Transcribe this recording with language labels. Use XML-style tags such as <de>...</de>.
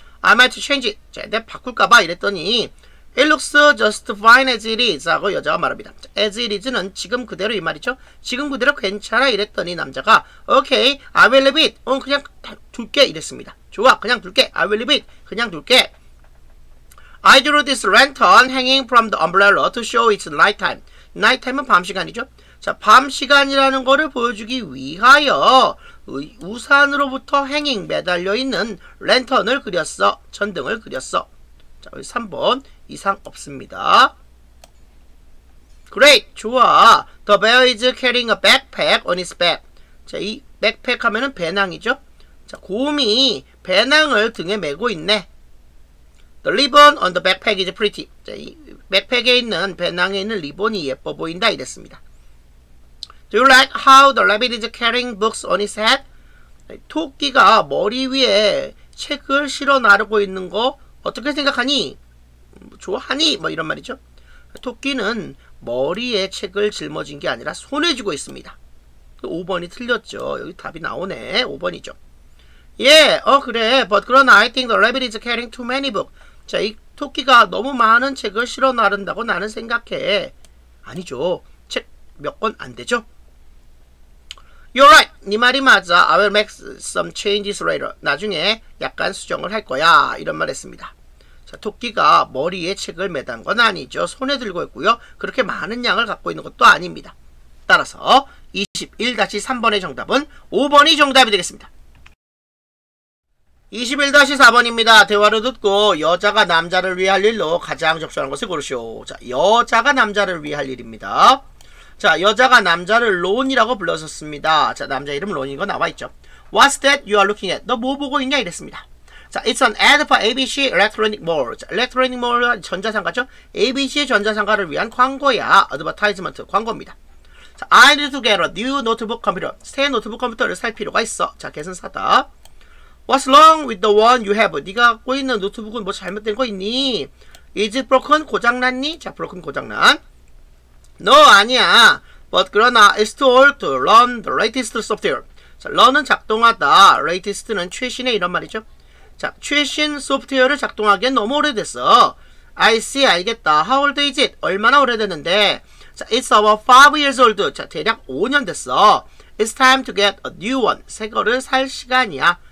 <en>I might change it.</en> <ko>자, 내가 바꿀까봐 이랬더니</ko> <en>It looks just fine as it is.</en> <ko>하고 여자가 말합니다. As it is는 지금 그대로 이 말이죠. 지금 그대로 괜찮아 이랬더니 남자가</ko> <en>Okay, I will leave it.</en> <ko>응, 그냥 둘게 이랬습니다. 좋아, 그냥 둘게.</ko> <en>I will leave it.</en> <ko>그냥 둘게.</ko> <en>I drew this lantern hanging from the umbrella to show it's nighttime.</en> <ko>Nighttime은 밤시간이죠. 자, 밤시간이라는 거를 보여주기 위하여 우산으로부터 hanging, 매달려 있는 랜턴을 그렸어. 전등을 그렸어. 자, 여기 3번 이상 없습니다.</ko> <en>Great,</en> <ko>좋아.</ko> <en>The bear is carrying a backpack on his back.</en> <ko>자, 이 backpack 하면은 배낭이죠. 자, 곰이 배낭을 등에 메고 있네.</ko> <en>The ribbon on the backpack is pretty.</en> <ko>자, 이 백팩에 있는 배낭에 있는 리본이 예뻐 보인다 이랬습니다.</ko> <en>Do you like how the rabbit is carrying books on his head?</en> <ko>토끼가 머리 위에 책을 실어 나르고 있는 거 어떻게 생각하니? 좋아하니? 뭐 이런 말이죠. 토끼는 머리에 책을 짊어진 게 아니라 손에 쥐고 있습니다. 5번이 틀렸죠. 여기 답이 나오네. 5번이죠. 예, yeah, 그래.</ko> <en>But 그러나 I think the rabbit is carrying too many books.</en> <ko>자, 이 토끼가 너무 많은 책을 실어 나른다고 나는 생각해. 아니죠. 책 몇 권 안 되죠?</ko> <en>You're right.</en> <ko>네 말이 맞아.</ko> <en>I will make some changes later.</en> <ko>나중에 약간 수정을 할 거야. 이런 말 했습니다. 자, 토끼가 머리에 책을 매단 건 아니죠. 손에 들고 있고요. 그렇게 많은 양을 갖고 있는 것도 아닙니다. 따라서 21-3번의 정답은 5번이 정답이 되겠습니다. 21-4번입니다. 대화를 듣고 여자가 남자를 위할 일로 가장 적절한 것을 고르시오. 자, 여자가 남자를 위할 일입니다. 자, 여자가 남자를 론이라고 불렀었습니다. 자, 남자 이름 론인 거 나와있죠.</ko> <en>What's that you are looking at?</en> <ko>너 뭐 보고 있냐? 이랬습니다.</ko> <en>자, it's an ad for ABC Electronic Mall.</en> <ko>자, Electronic Mall은 전자상가죠? ABC 전자상가를 위한 광고야.</ko> <en>Advertisement,</en> <ko>광고입니다.</ko> <en>자, I need to get a new notebook computer.</en> <ko>새 노트북 컴퓨터를 살 필요가 있어. 자, 걔는 사다.</ko> <en>What's wrong with the one you have?</en> <ko>네가 갖고 있는 노트북은 뭐 잘못된 거 있니?</ko> <en>Is it broken?</en> <ko>고장났니?</ko> <en>자, broken, 고장난. No, 아니야. But 그러나 it's too old to run the latest software.</en> <ko>자, run은 작동하다. latest는 최신의 이런 말이죠. 자, 최신 소프트웨어를 작동하기엔 너무 오래됐어.</ko> <en>I see,</en> <ko>알겠다.</ko> <en>How old is it?</en> <ko>얼마나 오래됐는데?</ko> <en>자, it's about 5 years old. 자,</en> <ko>대략 5년 됐어.</ko> <en>It's time to get a new one.</en> <ko>새 거를 살 시간이야.</ko>